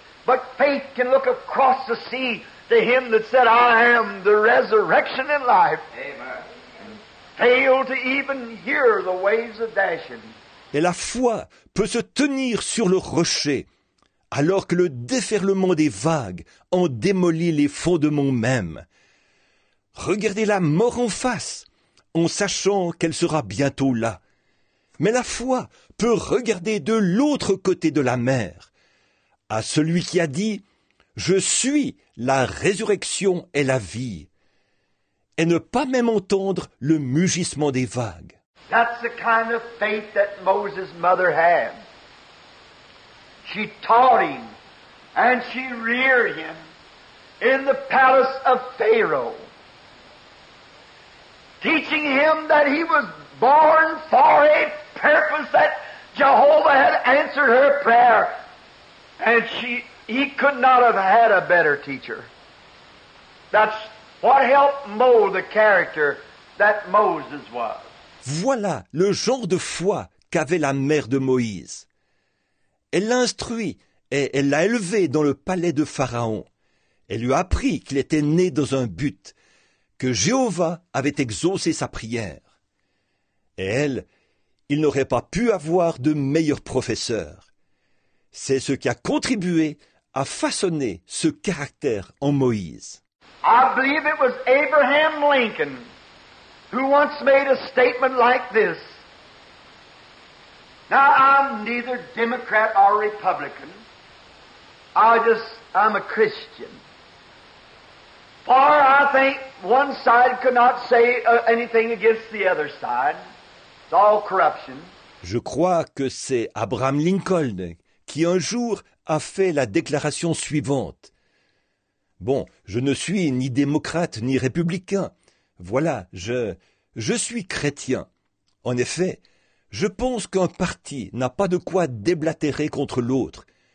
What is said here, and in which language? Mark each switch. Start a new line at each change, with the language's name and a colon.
English: But faith can look across the sea to him that said, I am the resurrection and life. Amen. Fail to even hear the waves of dashing.
French: Et la foi peut se tenir sur le rocher, alors que le déferlement des vagues en démolit les fondements même. Regardez la mort en face, en sachant qu'elle sera bientôt là. Mais la foi peut regarder de l'autre côté de la mer. À celui qui a dit « Je suis la résurrection et la vie » et ne pas même entendre le mugissement des vagues.
English: That's the kind of faith that Moses' mother had. She taught him and she reared him in the palace of Pharaoh, teaching him that he was born for a purpose, that Jehovah had answered her prayer. And he could not have had a better teacher. That's what helped mold the character that Moses was.
French: Voilà le genre de foi qu'avait la mère de Moïse. Elle l'a instruit et elle l'a élevé dans le palais de Pharaon. Elle lui a appris qu'il était né dans un but, que Jéhovah avait exaucé sa prière. Et elle, il n'aurait pas pu avoir de meilleur professeur. C'est ce qui a contribué à façonner ce caractère en Moïse.
English: I believe it was Abraham Lincoln who once made a statement like this. Now, I'm neither Democrat or Republican. I'm a Christian. For I think one side could not say anything against the other side. It's all corruption.
French: Je crois que c'est Abraham Lincoln qui un jour a fait la déclaration suivante. Bon, je ne suis ni démocrate ni républicain. Voilà, je suis chrétien. En effet, je pense qu'un parti n'a pas de quoi déblatérer contre l'autre.